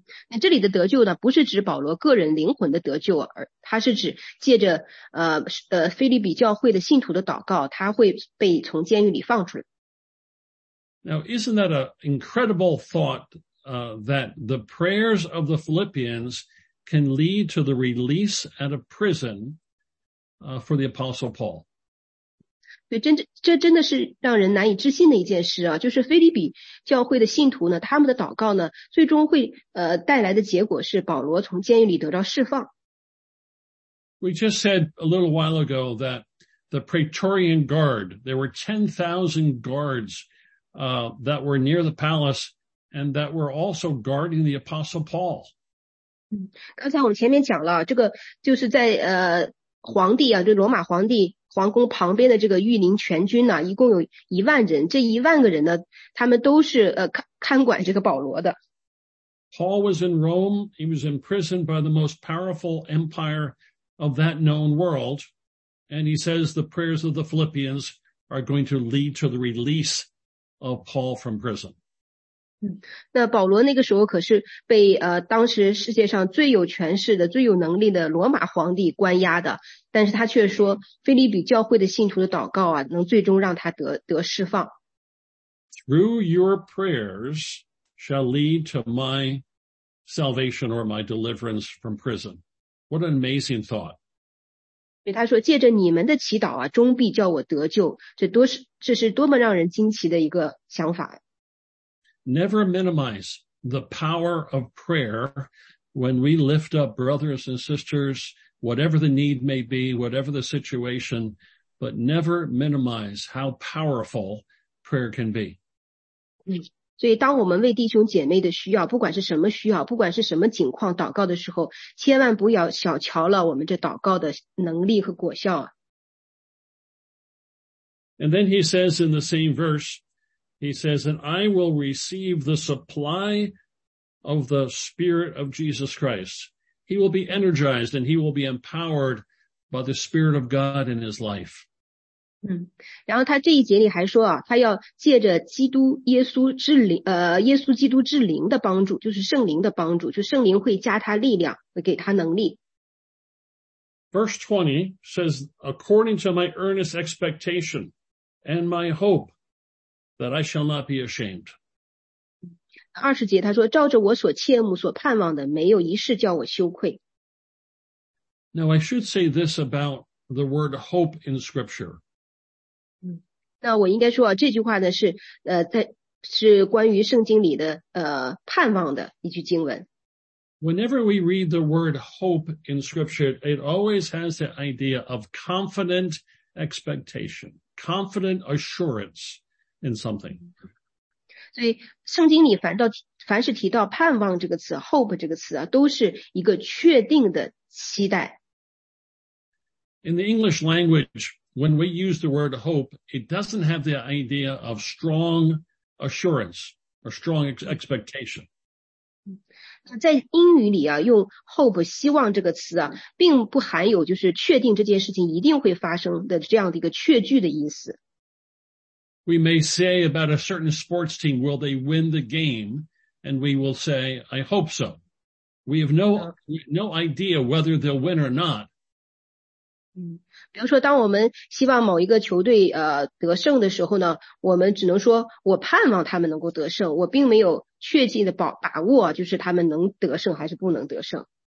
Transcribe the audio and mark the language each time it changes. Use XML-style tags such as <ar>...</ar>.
<zh>那这里的得救呢，不是指保罗个人灵魂的得救，而他是指借着腓立比教会的信徒的祷告，他会被从监狱里放出来。</zh> <en>Now, isn't that an incredible thought, that the prayers of the Philippians can lead to the release out of prison, for the Apostle Paul?</en> <zh>对，这真的是让人难以置信的一件事啊！就是腓立比教会的信徒呢，他们的祷告呢，最终会带来的结果是保罗从监狱里得到释放。</zh> <en>We just said a little while ago that the Praetorian Guard, there were 10,000 guards, that were near the palace and that were also guarding the Apostle Paul.</en> <zh>刚才我们前面讲了，这个就是在皇帝啊，就罗马皇帝皇宫旁边的这个御林全军呢、啊，一共有一万人，这一万个人呢，他们都是看管这个保罗的。</zh> <en>Paul was in Rome. He was imprisoned by the most powerful empire of that known world. And he says the prayers of the Philippians are going to lead to the release of Paul from prison.</en> <zh>那保罗那个时候可是被当时世界上最有权势的、最有能力的罗马皇帝关押的，但是他却说腓立比教会的信徒的祷告啊，能最终让他得释放。</zh> <en>Through your prayers shall lead to my salvation or my deliverance from prison. What an amazing thought.</en> <zh>所以他说借着你们的祈祷啊，终必叫我得救，这是多么让人惊奇的一个想法。</zh> <en>Never minimize the power of prayer when we lift up brothers and sisters, whatever the need may be, whatever the situation, but never minimize how powerful prayer can be.</en> <zh>所以当我们为弟兄姐妹的需要，不管是什么需要，不管是什么情况祷告的时候，千万不要小瞧了我们这祷告的能力和果效啊。</zh> <en>And then he says in the same verse, he says, and I will receive the supply of the Spirit of Jesus Christ. He will be energized and he will be empowered by the Spirit of God in his life.</en> <zh>然后他这一节里还说啊，他要借着基督耶稣之灵，耶稣基督之灵的帮助，就是圣灵的帮助，就圣灵会加他力量，会给他能力。</zh> <en>Verse 20 says, according to my earnest expectation and my hope that I shall not be ashamed.</en> <zh>二十节他说，照着我所切慕所盼望的，没有一事叫我羞愧。</zh> <en>Now I should say this about the word hope in scripture.</en> <zh>那我应该说啊，这句话呢是是关于圣经里的盼望的一句经文。</zh> <en>Whenever we read the word hope in scripture, it always has the idea of confident expectation, confident assurance in something.</en> <zh>所以圣经里凡是提到盼望这个词 ,hope 这个词啊，都是一个确定的期待。</zh> <en>In the English language,When we use the word hope, it doesn't have the idea of strong assurance or strong expectation.</en> <zh>在英语里啊，用 hope 希望这个词啊，并不含有就是确定这件事情一定会发生的这样的一个确据的意思。</zh> <en>We may say about a certain sports team, will they win the game? And we will say, I hope so. We have no idea whether they'll win or not.</en> <zh>比如说当我们希望某一个球队得胜的时候呢，我们只能说我盼望他们能够得胜，我并没有确切的把握就是他们能得胜还是不能得胜。</zh>